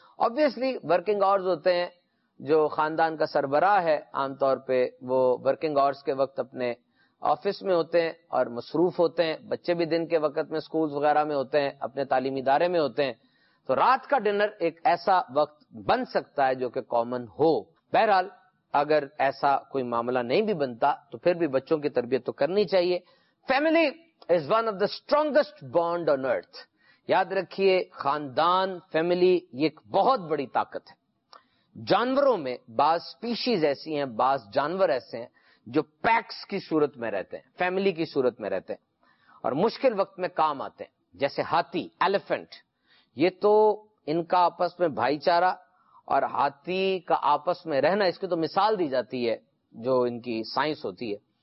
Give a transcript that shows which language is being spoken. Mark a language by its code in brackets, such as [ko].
[ur] Obviously working hours ہوتے ہیں, جو خاندان کا سربراہ ہے عام طور پہ وہ ورکنگ آورز کے وقت اپنے آفس میں ہوتے ہیں اور مصروف ہوتے ہیں, بچے بھی دن کے وقت میں سکولز وغیرہ میں ہوتے ہیں, اپنے تعلیمی ادارے میں ہوتے ہیں, تو رات کا ڈنر ایک ایسا وقت بن سکتا ہے جو کہ کامن ہو. بہرحال اگر ایسا کوئی معاملہ نہیں بھی بنتا تو پھر بھی بچوں کی تربیت تو کرنی چاہیے. [en] Family is one of the strongest bond on earth. [ur] یاد رکھیے, خاندان, فیملی, یہ ایک بہت بڑی طاقت ہے. جانوروں میں بعض سپیشیز ایسی ہیں, بعض جانور ایسے ہیں جو پیکس کی صورت میں رہتے ہیں, فیملی کی صورت میں رہتے ہیں اور مشکل وقت میں کام آتے ہیں. جیسے ہاتھی, ایلیفنٹ, یہ تو ان کا آپس میں بھائی چارہ اور ہاتھی کا آپس میں رہنا اس کی تو مثال دی جاتی ہے جو ان کی سائنس ہوتی ہے.